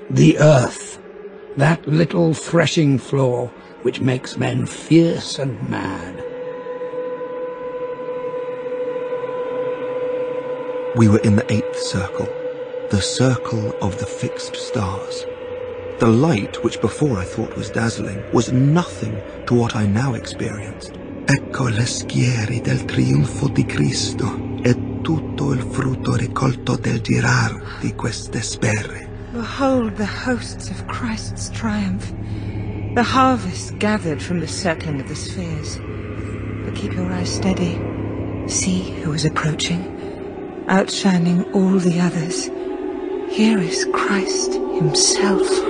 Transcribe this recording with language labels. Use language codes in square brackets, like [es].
[en] The earth, that little threshing floor which makes men fierce and mad. We were in the eighth circle, the circle of the fixed stars. The light, which before I thought was dazzling, was nothing to what I now experienced. [it] Ecco le schiere del trionfo di Cristo e tutto il frutto raccolto del girar di queste sfere. [en] Behold the hosts of Christ's triumph, the harvest gathered from the circling of the spheres. But keep your eyes steady. See who is approaching, outshining all the others. Here is Christ himself.